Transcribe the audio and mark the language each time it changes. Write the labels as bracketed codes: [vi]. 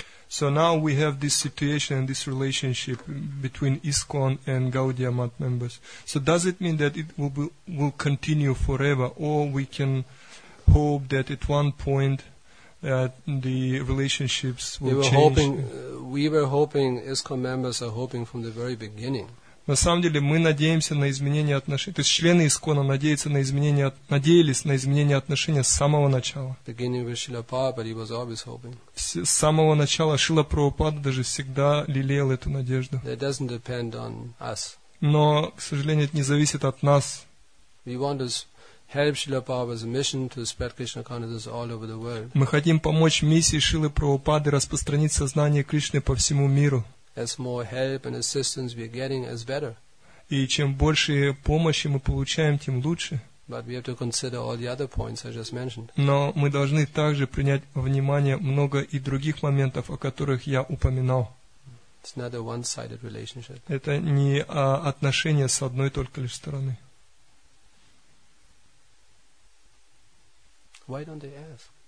[en] So now we have this situation and this relationship between ISKCON and Gaudiya Math members. So does it mean that it will continue forever, or we can hope that at one point the relationships will change? We were hoping, ISKCON members are hoping from the very beginning. [ru] На самом деле мы надеемся на изменение отношений. То есть члены ИСКОНа надеются на изменение, надеялись на изменение отношений с самого начала. С самого начала Шрила Прабхупада даже всегда лелеял эту надежду. [en] It doesn't depend on us. [ru] Но, к сожалению, это не зависит от нас. [en] We want to help Srila Prabhupada's mission to spread Krishna consciousness all over the world. [ru] Мы хотим помочь миссии Шрилы Прабхупады распространить сознание Кришны по всему миру. [en] As more help and assistance we are getting, as better. [ru] И чем больше помощи мы получаем, тем лучше. [en] But we have to consider all the other points I just mentioned. [ru] Но мы должны также принять во внимание много и других моментов, о которых я упоминал. [en] It's not a one-sided relationship. [ru] Это не отношения с одной только лишь стороны. [en] Why don't they ask?